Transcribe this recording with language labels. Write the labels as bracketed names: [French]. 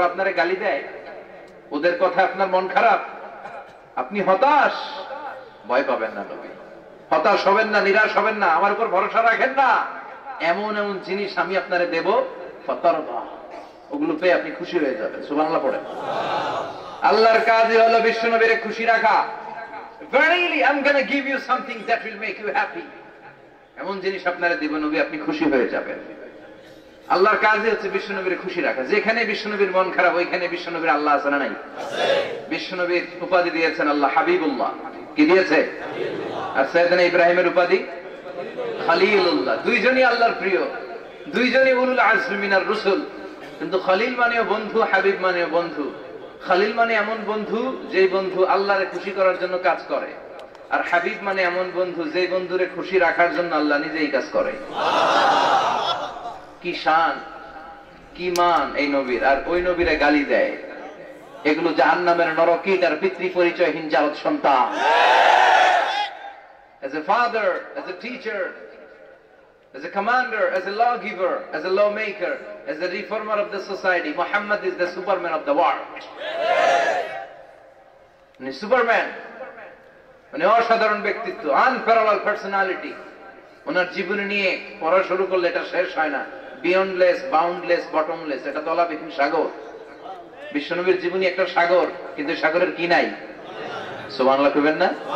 [Bangla] ওরা আপনারে গালি দেয়, ওদের কথা আপনার মন খারাপ, আপনি হতাশ, ভয় পাবেন না নবী, হতাশ হবেন না, নিরাশ হবেন না, আমার উপর ভরসা রাখেন না, এমন এমন জিনিস আমি আপনারে দেব ফতরবা, ওগুলো পেয়ে আপনি খুশি হয়ে যাবেন। সুবহানাল্লাহ পড়ে আল্লাহর কাজই হলো বিশ্ব নবীরে খুশি রাখা। [English] Verily I'm gonna give you something that will make you happy, [Bangla] এমন জিনিস আপনারে দেব নবী আপনি খুশি হয়ে যাবেন। আল্লাহর কাজই হচ্ছে বিশ্বনবীর খুশি রাখা। যেখানে বিশ্বনবীর মন খারাপ ওইখানে বিশ্বনবীর আল্লাহ আছে না নাই? বিশ্বনবীর উপাধি দিয়েছেন আল্লাহ হাবিবুল্লাহ, কি দিয়েছে? আর সাইয়েদনা ইব্রাহিমের উপাধি খলিলুল্লাহ, দুইজনই আল্লাহর প্রিয়, দুইজনই উলুল আজম মিনার রুসুল। কিন্তু খলিল মানেও বন্ধু, হাবিব মানেও বন্ধু। খলিল মানে এমন বন্ধু যে বন্ধু আল্লাহরে খুশি করার জন্য কাজ করে, আর হাবিব মানে এমন বন্ধু যে বন্ধুরে খুশি রাখার জন্য আল্লাহ নিজেই কাজ করে। কি শান, কি মান এই নবীর! আর ওই নবীরে গালি দেয়, এগুলো জাহান্নামের নরকীট আর পিতৃ পরিচয়হীন জালত সন্তান। [English] As a father, as a teacher, as a commander, as a lawgiver, as a lawmaker, as a reformer of the society, Muhammad is the superman of the world. [Bangla] মানে সুপারম্যান, মানে অসাধারণ ব্যক্তিত্ব, আনপ্যারালাল পার্সোনালিটি। ওনার জীবন নিয়ে পড়া শুরু করলে এটা শেষ হয় না, বিয়ন্ডলেস, বাউন্ডলেস, বটমলেস, এটা তলাবিহীন সাগর। বিশ্বনবীর জীবনী একটা সাগর, কিন্তু সাগরের কি নাই? সুবহানাল্লাহ কইবেন না?